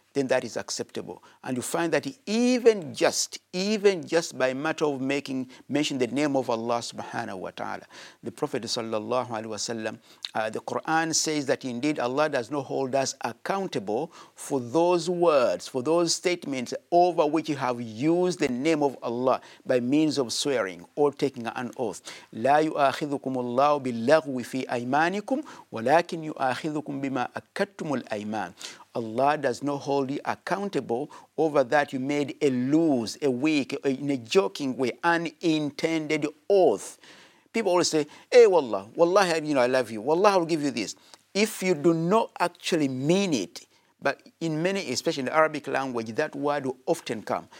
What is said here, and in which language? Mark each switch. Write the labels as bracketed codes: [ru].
[en] then that is acceptable. And you find that even just by matter of making mention the name of Allah subhanahu wa ta'ala, the Prophet sallallahu alaihi wasallam, the Quran says that indeed Allah does not hold us accountable for those words, for those statements over which you have used the name of Allah by means of swearing or taking an oath. [ar] لا يؤاخذكم الله باللغو في أيمانكم ولكن يؤاخذكم بما أكدتم الأيمان. [en] Allah does not hold you accountable over that you made a loose, a weak, in a joking way, unintended oath. People always say, hey, wallah, you know, I love you. Wallah, I will give you this. If you do not actually mean it, but in many, especially in the Arabic language, that word will often come.